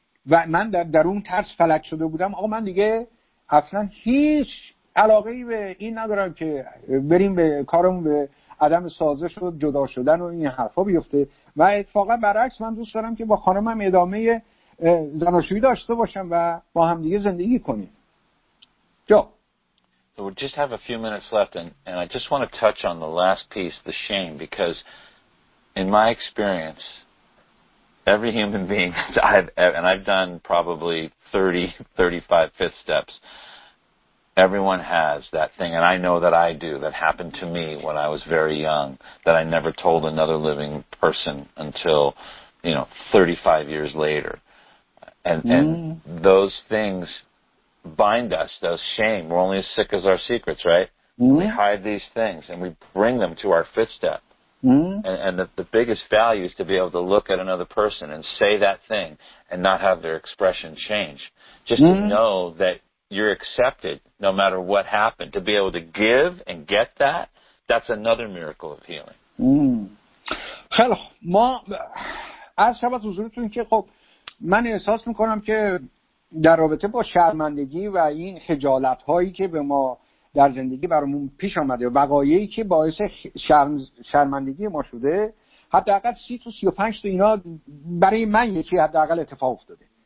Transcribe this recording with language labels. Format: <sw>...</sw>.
<fa>و من در درون ترس فلک شده بودم، آقا من دیگه اصلا هیچ علاقه ای به این ندارم که بریم به کارمون به عدم سازش و جدا شدن و این حرفا بیفته و اتفاقا برعکس من دوست دارم که با خانمم ادامه زناشویی داشته باشم و با هم دیگه زندگی کنیم. جو.</fa> <en>So we just have a few minutes left and I just want to touch on the last piece, the shame, because in my experience every human being I've done probably 30, 35 fifth steps. Everyone has that thing, and I know that I do, that happened to me when I was very young, that I never told another living person until, you know, 35 years later. And those things bind us, those shame. We're only as sick as our secrets, right? Mm. We hide these things, and we bring them to our fifth step. And the biggest value is to be able to look at another person and say that thing and not have their expression change. Just to know that you're accepted no matter what happened. To be able to give and get that, that's another miracle of healing.</en> <fa>خیلی ما از شب از حضورتون که خب من احساس میکنم که در رابطه با شرمندگی و این خجالت هایی که به ما در زندگی برامون پیش آمده و وقایعی که باعث شرمندگی ما شده، حداقل 30 تا 35 تا اینا برای من یکی حداقل اتفاق افتاده.</fa>